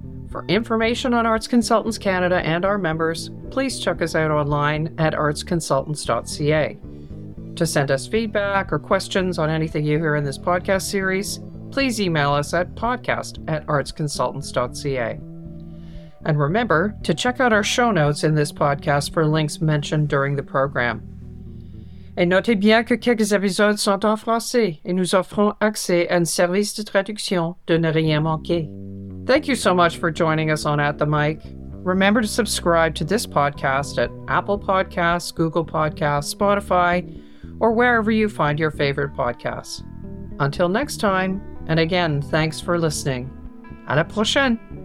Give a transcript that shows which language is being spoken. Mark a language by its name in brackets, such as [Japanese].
[English] For information on Arts Consultants Canada and our members, please check us out online at artsconsultants.ca. To send us feedback or questions on anything you hear in this podcast series, please email us at podcast@artsconsultants.ca. And remember to check out our show notes in this podcast for links mentioned during the program. [French] Et notez bien que quelques épisodes sont en français et nous offrons accès à un service de traduction de ne rien manquer. [English] Thank you so much for joining us on At the Mic. Remember to subscribe to this podcast at Apple Podcasts, Google Podcasts, Spotify, or wherever you find your favorite podcasts. Until next time, and again, thanks for listening. À la prochaine!